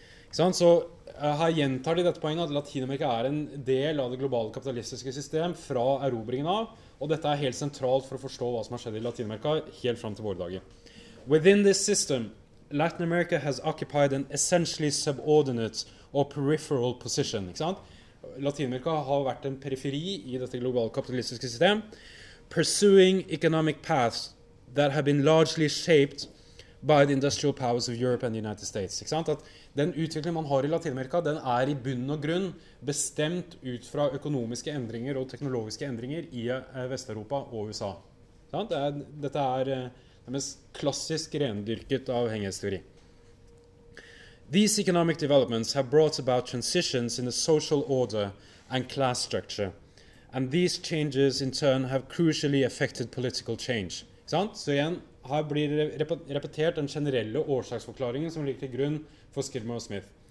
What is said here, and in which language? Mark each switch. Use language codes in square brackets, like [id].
[no] Så her gjentar de dette poenget at Latinamerika er en del av det globale kapitalistiske system fra erobringen av, og dette er helt sentralt for å forstå hva som har skjedd i Latinamerika helt fram til våre dager. [en] Within this system, Latin America has occupied an essentially subordinate or peripheral position. [no] Latinamerika har vært en periferi i dette globale kapitalistiske system, [en] pursuing economic paths that have been largely shaped by the industrial powers of Europe and the United States. [no] Ikke sant? At den utvikling man har i Latinamerika, den er i bunn og grunn bestemt ut fra økonomiske endringer og teknologiske endringer i Vesteuropa og USA. Sant? Dette er det mest klassisk rendyrket av avhengighetsteori. [en] These economic developments have brought about transitions in the social order and class structure, and these changes in turn have crucially affected political change. [no] Så igjen, her blir repetert den generelle årsaksforklaringen som ligger til grunn for Skidmore og Smith.